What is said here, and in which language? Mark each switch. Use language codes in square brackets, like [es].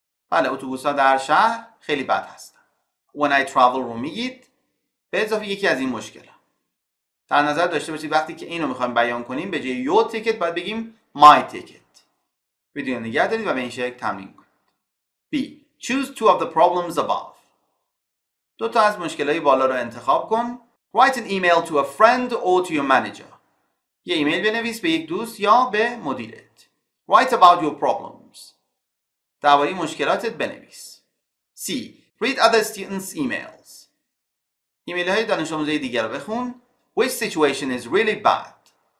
[fa] بله، اتوبوس ها در شهر خیلی بد هستن. [en] When I travel [fa] رو میگید به اضافه یکی از این مشکل ها. در نظر داشته باشید وقتی که اینو میخوایم بیان کنیم به جای your ticket باید بگیم my ticket. ویدیو نگه دارید و به این شکل تمرین کنید. [en] B. Choose two of the problems above. [fa] دو تا از مشکل های بالا رو انتخاب کن. [en] Write an email to a friend or to your manager. [fa] یه ایمیل بنویس به یک دوست یا به مدیرت. [en] Write about your problems. [fa] درباره مشکلاتت بنویس. [en] C. Read other students' emails. [fa] ایمیل های دانش آموزای دیگر رو بخون. [en] Which situation is really bad?